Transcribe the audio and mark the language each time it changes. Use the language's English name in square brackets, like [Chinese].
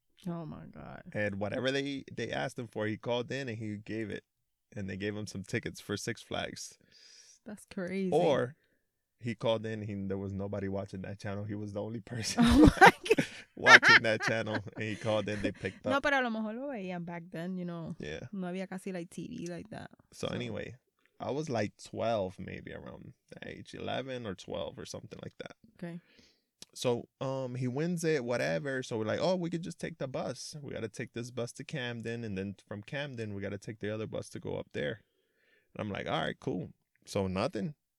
[English] Oh, my God. And whatever they asked him for, he called in and he gave it. And they gave him some tickets for Six Flags. That's crazy. Or he called in and there was nobody watching that channel. He was the only person watching that channel. And he called in, they picked up. [Spanish] No, pero a lo mejor lo veían [English] back then, you know. Yeah. [Spanish] No había casi [English] like TV like that. So anyway, I was like 12 maybe around the age, 11 or 12 or something like that. Okay. So he wins it, whatever. So we're like, oh, we could just take the bus. We got to take this bus to Camden. And then from Camden, we got to take the other bus to go up there. And I'm like, all right, cool. So nothing.